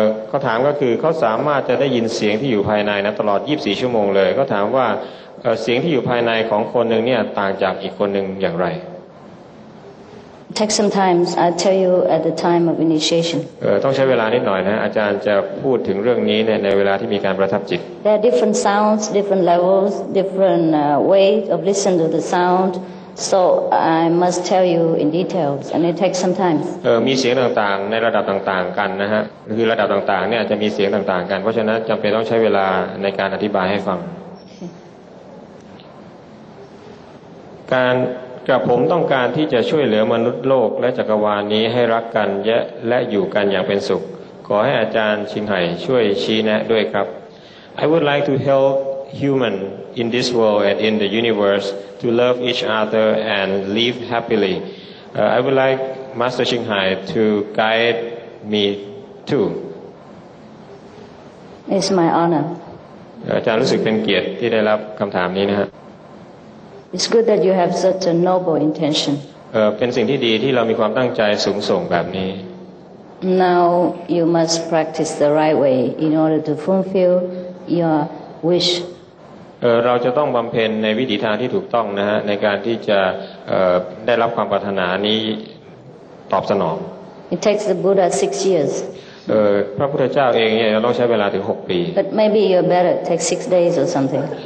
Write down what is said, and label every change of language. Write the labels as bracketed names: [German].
[Thai] ก็ถามก็คือเขาสามารถจะได้ยินเสียงที่อยู่ภายในนะตลอด24ชั่วโมงเลยก็ถามว่าเสียงที่อยู่ภายในของคนหนึ่งเนี่ยต่างจากอีกคนหนึ่งอย่างไร [English] Take some time. I'll tell you at the time of initiation. [Thai] ต้องใช้เวลานิดหน่อยนะอาจารย์จะพูดถึงเรื่องนี้ในเวลาที่มีการประทับจิต [English] There are different sounds, different levels, different ways of listening to the sound. So I must tell you in details, and it takes some time. [Thai] มีเสียงต่างๆในระดับต่างๆกันนะฮะคือระดับต่างๆเนี่ยจะมีเสียงต่างๆกันเพราะฉะนั้นจำเป็นต้องใช้เวลาในการอธิบายให้ฟังการกับผมต้องการที่จะช่วยเหลือมนุษย์โลกและจักรวาลนี้ให้รักกันแยะและอยู่กันอย่างเป็นสุขขอให้อาจารย์ชินไห่ช่วยชี้แนะด้วยครับ [English] I would like to help human in this world and in the universe to love each other and live happily. I would like Master Ching Hai to guide me too. It's my honor. [Thai] อาจารย์รู้สึกเป็นเกียรติที่ได้รับคำถามนี้นะฮะ [English] It's good that you have such a noble intention. [Thai] เป็นสิ่งที่ดีที่เรามีความตั้งใจสูงส่งแบบนี้ [English] Now you must practice the right way in order to fulfill your wish. [Thai] เราจะต้องบำเพ็ญในวิถีทางที่ถูกต้องนะฮะในการที่จะได้รับความปรารถนานี้ตอบสนอง [English] It takes the Buddha 6 years. [Thai] พระพุทธเจ้าเองเนี่ยต้องใช้เวลาถึง6 ปี [English] But maybe you're better. Take 6 days or something.